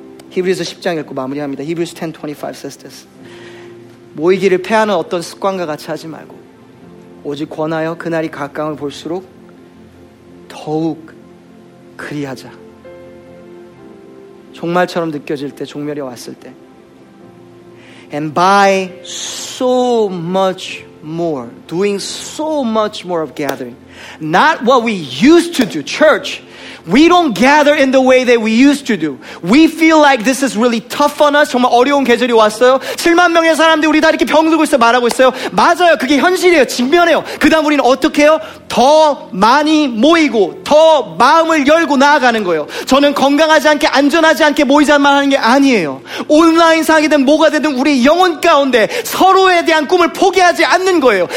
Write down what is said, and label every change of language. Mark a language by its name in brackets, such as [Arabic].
[Korean] 히브리서 10장 읽고 마무리합니다. [English] 히브리서 10:25 says this. [Korean] 모이기를 폐하는 어떤 습관과 같이 하지 말고 오직 권하여 그날이 가까움을 볼수록 더욱 그리하자. 종말처럼 느껴질 때, 종멸이 왔을 때 [English] And by so much more, doing so much more of gathering, not what we used to do, church, We don't gather in the way that we used to do. We feel like this is really tough on us. [Korean] 정말 어려운 계절이 왔어요. 7만 명의 사람들 우리 다 이렇게 병들고 있어 말하고 있어요. 맞아요. 그게 현실이에요. 직면해요. 그 다음 우리는 어떻게 해요? 더 많이 모이고 더 마음을 열고 나아가는 거예요. 저는 건강하지 않게 안전하지 않게 모이자만 하는 게 아니에요. 온라인상이든 뭐가 되든 우리 영혼 가운데 서로에 대한 꿈을 포기하지 않는 거예요.